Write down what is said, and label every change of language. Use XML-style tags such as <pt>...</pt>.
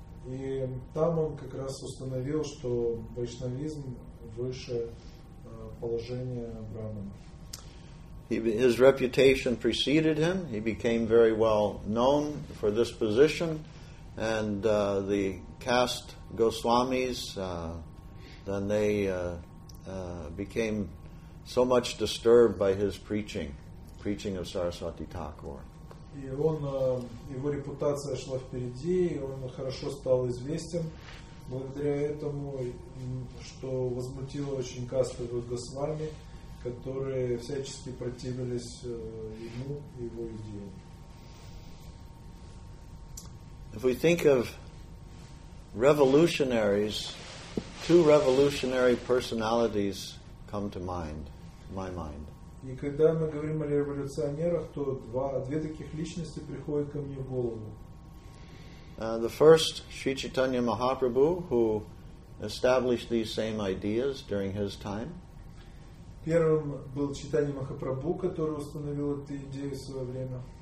<ru>И там он как раз установил, что вайшнавизм выше положения Брахмана.</ru> <en>His reputation preceded him. He became very well known for this position. And the caste Goswamis, then they became so much disturbed by his preaching of Saraswati Thakur.</en> <ru>И он, его репутация шла впереди, и он хорошо стал известен благодаря этому, что возмутило очень кастовых Госвами, которые всячески противились ему и его идеям.</ru> <en>If we think of revolutionaries, two revolutionary personalities come to mind, my mind.</en> <ru>И когда мы говорим о революционерах, то две таких личности приходят ко мне в голову.</ru> <en>The first, Sri Chaitanya Mahaprabhu, who established these same ideas during his time.</en> <ru>Первым был Чайтанья Махапрабху, который установил эти идеи в свое время.</ru>